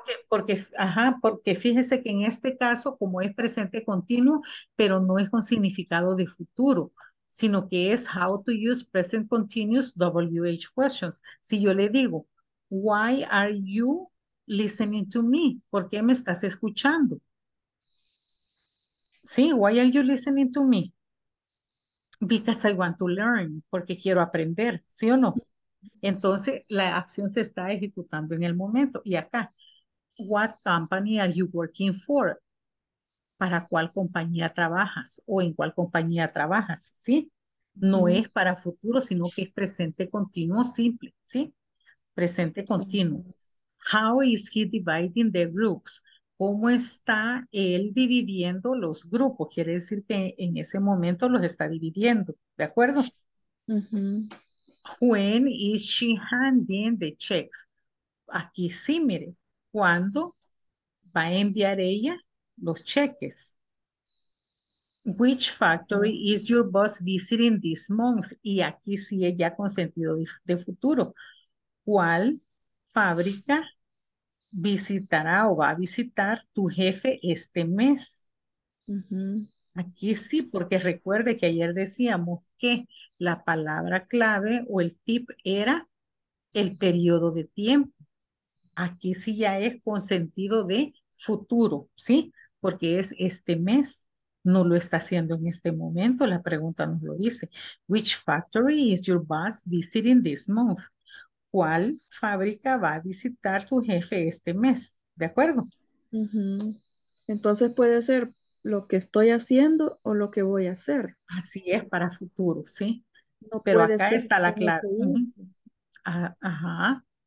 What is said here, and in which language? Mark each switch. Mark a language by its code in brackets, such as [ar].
[es] Porque fíjese que en este caso, como es presente continuo, pero no es con significado de futuro, sino que es [en] how to use present continuous WH questions. [es] Si yo le digo, [en] why are you listening to me? [es] ¿Por qué me estás escuchando? [en] Sí, why are you listening to me? Because I want to learn, [es] porque quiero aprender, ¿sí o no? Entonces, la acción se está ejecutando en el momento. Y acá, [en] what company are you working for? [es] ¿Para cuál compañía trabajas? ¿O en cuál compañía trabajas? ¿Sí? No es para futuro, sino que es presente continuo simple, ¿sí? Presente continuo. [en] How is he dividing the groups? [es] ¿Cómo está él dividiendo los grupos? Quiere decir que en ese momento los está dividiendo, ¿de acuerdo? Uh-huh. [en] When is she handing the checks? [es] Aquí sí, mire, ¿cuándo va a enviar ella los cheques? [en] Which factory is your boss visiting this month? [es] Y aquí sí es ya con sentido de futuro. ¿Cuál fábrica visitará o va a visitar tu jefe este mes? Uh-huh. Aquí sí, porque recuerde que ayer decíamos que la palabra clave o el tip era el periodo de tiempo. Aquí sí ya es con sentido de futuro, ¿sí? Porque es este mes. No lo está haciendo en este momento, la pregunta nos lo dice. [en] Which factory is your boss visiting this month? [es] ¿Cuál fábrica va a visitar tu jefe este mes? ¿De acuerdo? Entonces puede ser lo que estoy haciendo o lo que voy a hacer. Así es, para futuro, ¿sí? No, pero acá está la clave. Ajá.